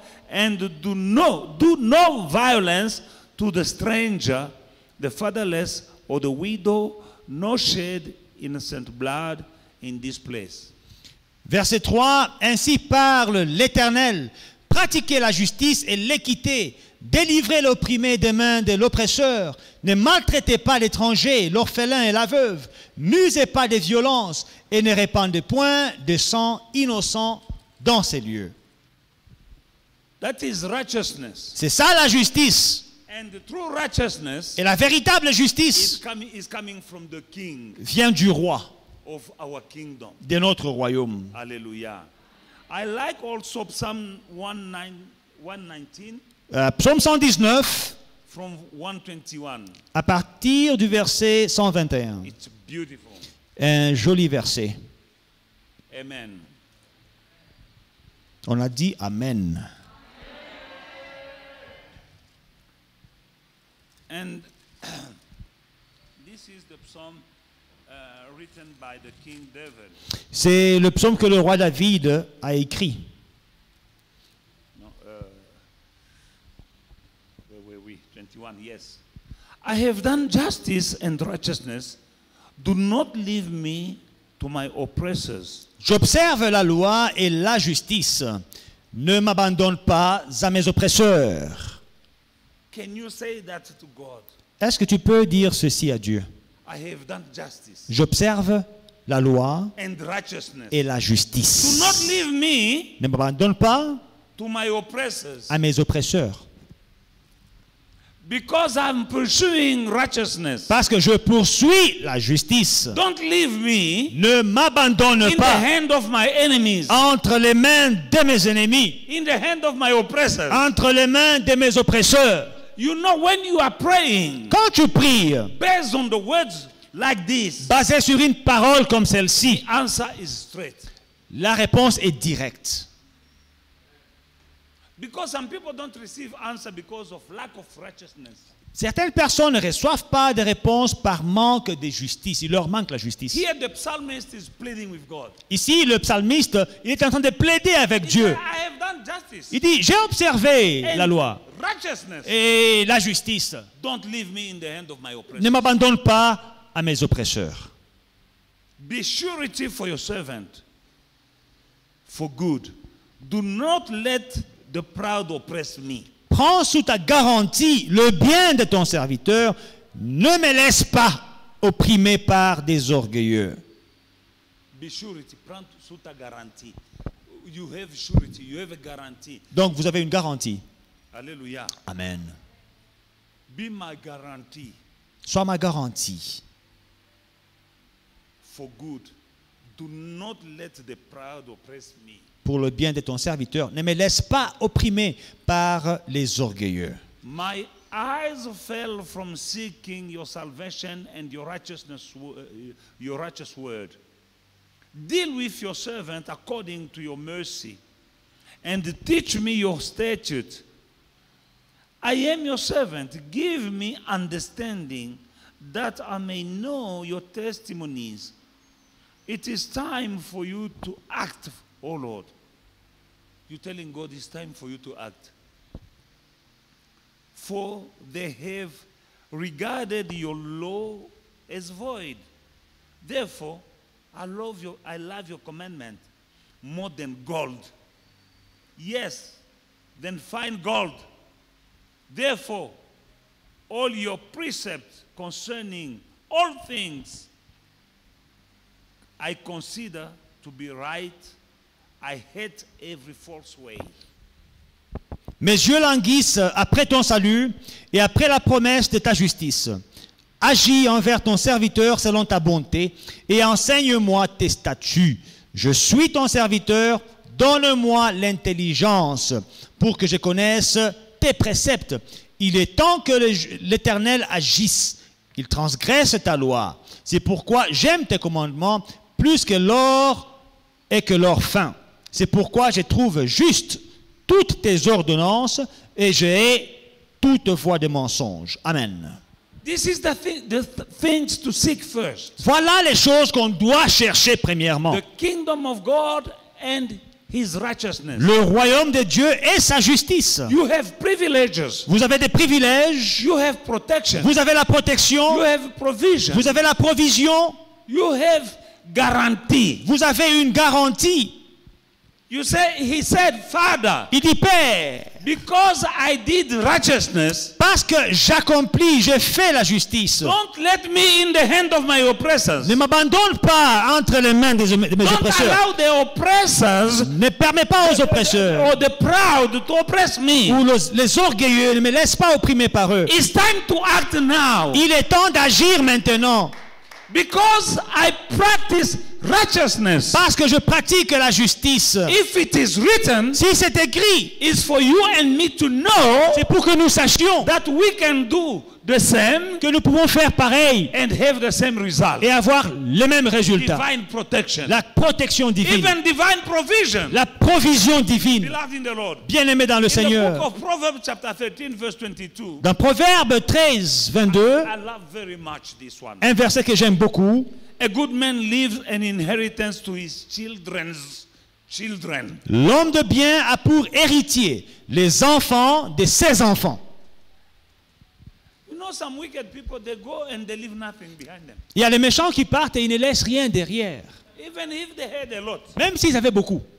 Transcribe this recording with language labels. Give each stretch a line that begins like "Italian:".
English: Do no violence to the stranger, the fatherless or the widow, no shed innocent blood in this place.
French: Verset 3, ainsi parle l'Éternel, pratiquez la justice et l'équité, délivrez l'opprimé des mains de l'oppresseur, ne maltraitez pas l'étranger, l'orphelin et la veuve, n'usez pas de violence et ne répandez point de sang innocent dans ces lieux.
English: That is righteousness.
French: C'est ça la justice.
English: And the true righteousness,
French: et la véritable justice
English: is coming from the king,
French: vient du roi
English: of our kingdom.
French: De notre royaume.
English: Alléluia. I like also Psalm 119.
French: Psaume 119
English: from 121.
French: À partir du verset 121.
English: It's beautiful.
French: Un joli verset. Amen. On a dit amen.
English: And this is the psalm written by the King David.
French: C'est le psaume que le roi David a écrit.
English: Where were we? 21, yes. I have done justice and righteousness. Do not leave me to my oppressors.
French: J'observe la loi et la justice. Ne m'abandonne pas à mes oppresseurs.
English: Can you say that to God?
French: Est-ce que tu peux dire ceci à Dieu?
English: I have done justice.
French: J'observe la loi
English: and righteousness.
French: Et la justice.
English: Do not leave me.
French: Ne m'abandonne pas
English: to my oppressors.
French: À mes oppresseurs.
English: Because I'm pursuing righteousness.
French: Parce que je poursuis la justice.
English: Don't leave me.
French: Ne m'abandonne
English: in
French: pas.
English: The hand of my enemies.
French: Entre les mains de mes ennemis.
English: In the hand of my oppressors.
French: Entre les mains de mes oppresseurs.
English: You know when you are praying.
French: Quand tu pries.
English: Based on the words like this.
French: Basé sur une parole comme celle-ci.
English: The answer is straight.
French: La réponse est directe.
English: Because some people don't receive answer because of lack of righteousness.
French: Certaines personnes ne reçoivent pas de réponse par manque de justice. Il leur manque la justice.
English: Here the psalmist is pleading with God.
French: Ici, le psalmiste il est en train de plaider avec
English: He
French: Dieu.
English: Said, I have done justice.
French: Il dit, j'ai observé
English: and
French: la loi
English: righteousness.
French: Et la justice.
English: Don't leave me in the hand of my oppressors.
French: Ne m'abandonne pas à mes oppresseurs.
English: Be surety for your servant for good. Do not let the proud oppress me.
French: Prends sous ta garantie le bien de ton serviteur. Ne me laisse pas opprimer par des orgueilleux.
English: Be surety.
French: Prends sous ta garantie.
English: You have surety. You have a guarantee.
French: Donc vous avez une garantie. Alléluia. Amen.
English: Be my guarantee.
French: Sois ma garantie.
English: For good. Do not let the proud oppress me.
French: Pour le bien de ton serviteur, ne me laisse pas opprimer par les orgueilleux.
English: My eyes fell from seeking your salvation and your righteousness, your righteous word. Deal with your servant according to your mercy and teach me your statute. I am your servant. Give me understanding that I may know your testimonies. It is time for you to act, O Lord. You're telling God it's time for you to act. For they have regarded your law as void. Therefore, I love your commandment more than gold. Yes, then find gold. Therefore, all your precepts concerning all things I consider to be right. I hate every false way.
French: Mes yeux languissent après ton salut et après la promesse de ta justice. Agis envers ton serviteur selon ta bonté et enseigne-moi tes statuts. Je suis ton serviteur, donne-moi l'intelligence pour que je connaisse tes préceptes. Il est temps que l'Éternel agisse. Il transgresse ta loi. C'est pourquoi j'aime tes commandements plus que l'or et que l'or fin. C'est pourquoi je trouve juste toutes tes ordonnances et je hais toute voie de mensonge. Amen.
English: This is the things to seek first.
French: Voilà les choses qu'on doit chercher premièrement.
English: The kingdom of God and His righteousness.
French: Le royaume de Dieu et sa justice.
English: You have privileges.
French: Vous avez des privilèges.
English: You have protection.
French: Vous avez la protection.
English: You have provision.
French: Vous avez la provision.
English: You have guarantee.
French: Vous avez une garantie.
English: You say, he said, Father,
French: il dit, Père,
English: because I did righteousness,
French: parce que j'accomplis, je fais la justice.
English: Don't let me in the hand of my oppressors.
French: Ne m'abandonne pas entre les mains de mes
English: don't
French: oppresseurs.
English: Allow the oppressors,
French: ne permets pas aux oppresseurs
English: or the proud to oppress me.
French: Ou les orgueilleux, ne me laisse pas opprimer par eux.
English: It's time to act now.
French: Il est temps d'agir maintenant.
English: Because I practice righteousness.
French: Parce que je pratique la justice.
English: If it is written,
French: si c'est écrit,
English: it's for you and me to know,
French: c'est pour que nous sachions
English: that we can do the same,
French: que nous pouvons faire pareil
English: and have the same result,
French: et avoir le même résultat.
English: Divine protection.
French: La protection divine.
English: Even divine provision.
French: La provision divine.
English: Beloved in the Lord.
French: Bien-aimé dans le
English: in
French: Seigneur.
English: The book of Proverbs, chapter 13, verse 22,
French: dans Proverbes 13, 22,
English: I love very much this one.
French: Un verset que j'aime beaucoup.
English: A good man leaves an inheritance to his children's children.
French: L'homme de bien a pour héritier les enfants de ses enfants.
English: You know, some wicked people, they go and they leave nothing behind them.
French: Il y a les méchants qui partent et ils ne laissent rien derrière.
English: Even if they had a lot.
French: Même s'ils avaient beaucoup.